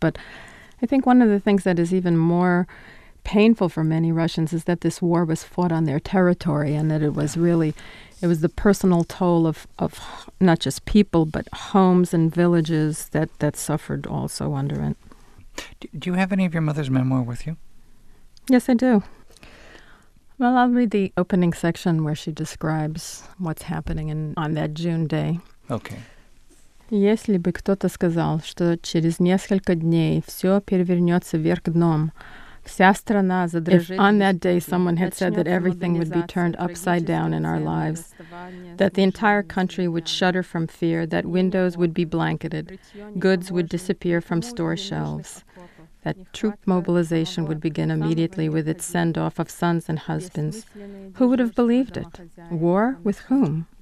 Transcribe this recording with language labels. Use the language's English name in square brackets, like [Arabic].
[English] But I think one of the things that is even more painful for many Russians is that this war was fought on their territory and that it was really, it was the personal toll of not just people, but homes and villages that suffered also under it. Do you have any of your mother's memoir with you? Yes, I do. Well, I'll read the opening section where she describes what's happening on that June day. Okay. [Russian] Если бы кто-то сказал, что через несколько дней все перевернется вверх дном, вся страна задрожит. [English] On that day, someone had said that everything would be turned upside down in our lives, that the entire country would shudder from fear, that windows would be blanketed, goods would disappear from store shelves, that troop mobilization would begin immediately with its send-off of sons and husbands. Who would have believed it? War? With whom?